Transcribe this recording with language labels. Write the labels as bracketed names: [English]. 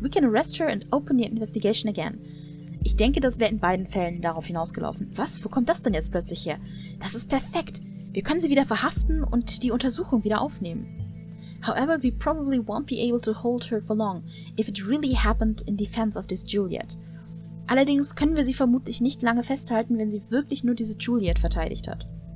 [English] We can arrest her and open the investigation again. [German] Ich denke, das wäre in beiden Fällen darauf hinausgelaufen. Was? Wo kommt das denn jetzt plötzlich her? Das ist perfekt. Wir können sie wieder verhaften und die Untersuchung wieder aufnehmen. [English] However, we probably won't be able to hold her for long, if it really happened in defense of this Juliet. [German] Allerdings können wir sie vermutlich nicht lange festhalten, wenn sie wirklich nur diese Juliet verteidigt hat.